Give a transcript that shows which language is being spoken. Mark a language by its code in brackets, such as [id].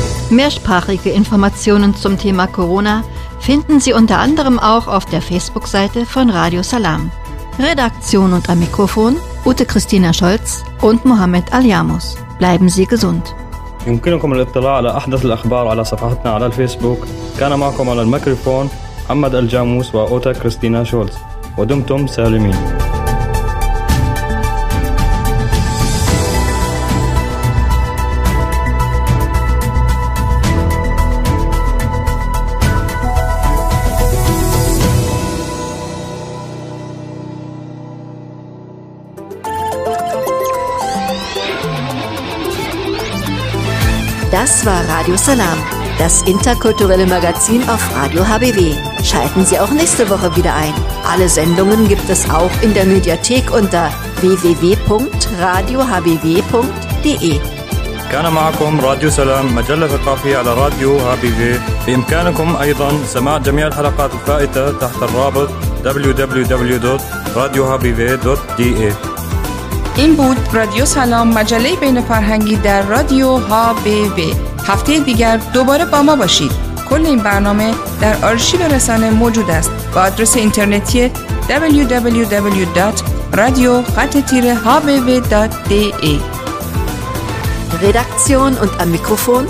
[de] Mehrsprachige Informationen zum Thema Corona finden Sie unter anderem auch auf der Facebook-Seite von Radio Salam. Redaktion und am Mikrofon Ute Christina Scholz und Mohammed Aliamos. Bleiben Sie gesund. [ar] يمكنكم الاطلاع على احدث الاخبار على صفحتنا على الفيسبوك. كان معكم على الميكروفون محمد الجاموس وأوتا كريستينا شولز. ودمتم سالمين. [de] Das war Radio Salam, das interkulturelle Magazin auf Radio HBW. Schalten Sie auch nächste Woche wieder ein. Alle Sendungen gibt es auch in der Mediathek unter www.radiohbw.de. [ar] كان معكم راديو سلام مجلة ثقافية على راديو هابيبي. بإمكانكم أيضا سماع جميع الحلقات الفائتة تحت الرابط www.radiohabibi.de. [fa] این بود رادیو سلام، مجله بین فرهنگی در رادیو ها بی بی. هفته دیگر دوباره با ما باشید. کل این برنامه در آرشیو رسانه موجود است با آدرس اینترنتی www.radio-habibi.de. [de] Redaktion und am Mikrofon.